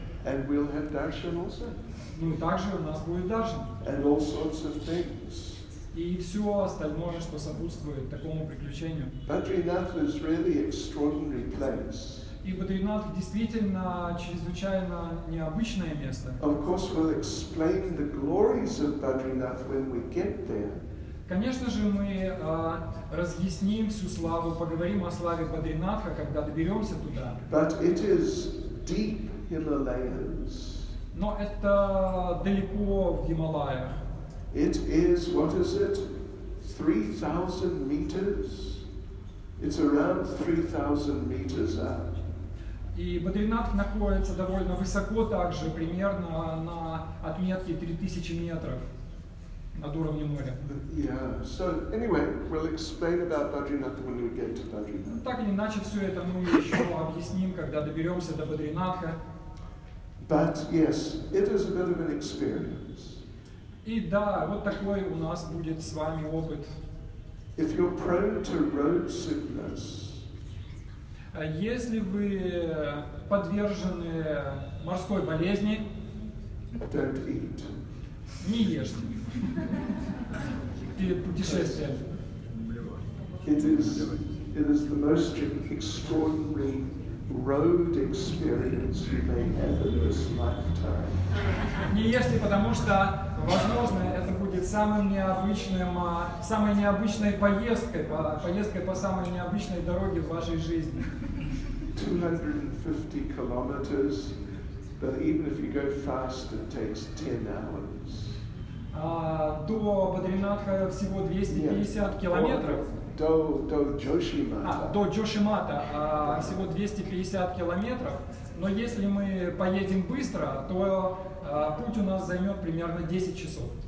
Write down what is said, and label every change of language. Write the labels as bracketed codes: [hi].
[en] And we'll have darshan also. [ru] Ну и также у нас будет darshan. [en] And all sorts of things. [ru] И все остальное, что сопутствует такому приключению. [en] Badrinath is really extraordinary place. [ru] И Бадринатх действительно чрезвычайно необычное место. [en] Of course, we'll explain the glories of Badrinath when we get there. [ru] Конечно же, мы разъясним всю славу, поговорим о славе Бадринатха, когда доберемся туда. [en] But it is deep Himalayas. [ru] Но это далеко в Гималаях. [en] It is, what is it? 3,000 meters. It's around 3,000 meters up. [ru] И Бадринатх находится довольно высоко также, примерно на отметке 3000 метров. Над уровнем моря. [en] Yeah. So anyway, we'll explain about Badrinath when we get to Badrinath. [ru] Так или иначе, все это мы еще объясним, когда доберемся до Бадринатха. [en] But yes, it is a bit of an experience. [ru] И да, вот такой у нас будет с вами опыт. [en] If you're prone to road sickness. [ru] Если вы подвержены морской болезни. [en] Don't eat. [ru] Не ешьте. Перед путешествием. [en] It is the most extraordinary road experience you may have in this lifetime. [ru] Не ешьте, потому что, возможно, это будет самой необычной поездкой по самой необычной дороге в вашей жизни. [en] 250 kilometers, but even if you go fast, it takes 10 hours. [ru] До Бадринатха всего 250 километров. До Джошимата всего 250 километров. Но если мы поедем быстро, то путь у нас займет примерно 10 часов.